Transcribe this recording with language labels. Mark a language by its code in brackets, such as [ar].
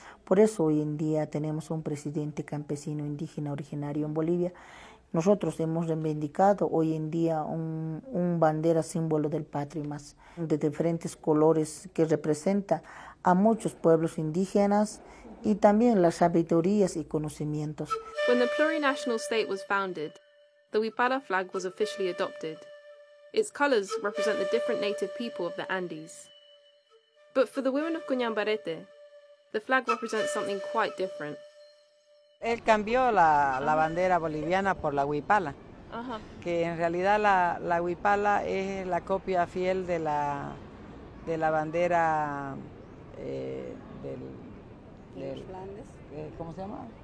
[es] Por eso hoy en día tenemos un presidente campesino indígena originario en Bolivia Nosotros hemos reivindicado hoy en día un bandera símbolo del Patrimas, de diferentes colores que representa a muchos pueblos indígenas y también las sabidurías y conocimientos. [en] When the plurinational state was founded, the Huipara flag was officially adopted. Its colors represent the different native people of the Andes. But for the women of Cuñambarete, the flag represents something quite different. [es] Él cambió la bandera boliviana por la huipala, que en realidad la huipala es la copia fiel de la bandera del Flandes. ¿Cómo se llama?